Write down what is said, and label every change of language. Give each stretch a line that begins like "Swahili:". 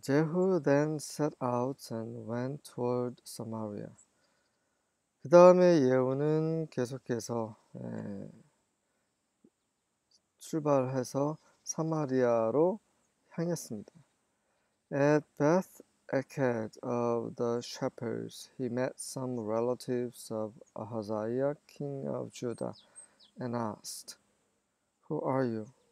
English: Jehu then set out and went toward Samaria.
Korean: 그 다음에 예후는 계속해서 출발해서 사마리아로 향했습니다.
English: At Beth Eked of the shepherds, he met some relatives of Ahaziah, king of Judah, and asked, "Who are you?"